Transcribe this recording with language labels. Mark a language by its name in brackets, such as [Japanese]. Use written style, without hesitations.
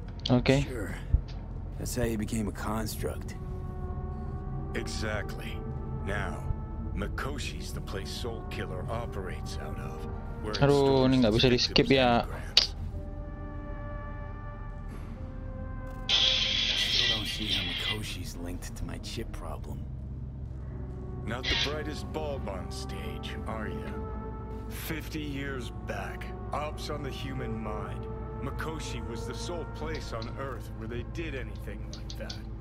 [English] Okay. Sure. That's how you became a construct. Exactly. Now, Mikoshi's the place Soul Killer operates out of. [Indonesian] Aduh, ini nggak bisa di skip ya. [English] Still don't see how Mikoshi's linked to my chip problem. Not the brightest bulb on stage, are you? 50 years back, ops on the human mind. Mikoshi was the sole place on Earth where they did anything like that.